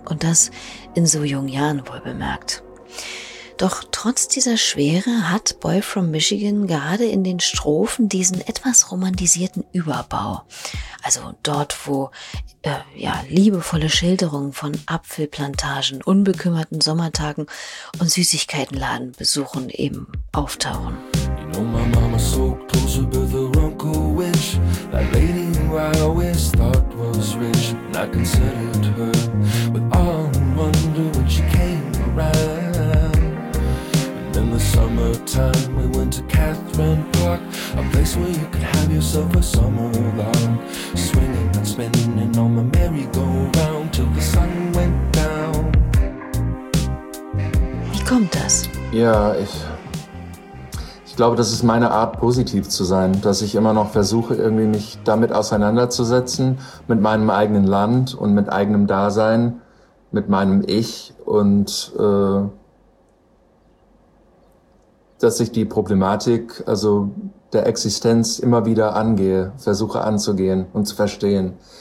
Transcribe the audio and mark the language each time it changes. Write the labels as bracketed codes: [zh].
[de] Und das in so jungen Jahren wohl bemerkt. Doch trotz dieser Schwere hat Boy from Michigan gerade in den Strophen diesen etwas romantisierten Überbau. Also dort, wo liebevolle Schilderungen von Apfelplantagen, unbekümmerten Sommertagen und Süßigkeitenladen besuchen eben auftauchen. [en] You know my mama so close to the Runko Witch, that lady who I always thought was rich, and I considered her with all wonder when she came around. In the summertime, we went to Catherine Park, a place where you could have yourself a summer lark, swinging and spinning on the merry-go-round till the sun went down. [de] Wie kommt das? Ja, ich glaube, das ist meine Art, positiv zu sein, dass ich immer noch versuche, irgendwie mich damit auseinanderzusetzen, mit meinem eigenen Land und mit eigenem Dasein, mit meinem Ich und dass ich die Problematik, also der Existenz, immer wieder angehe, versuche anzugehen und zu verstehen.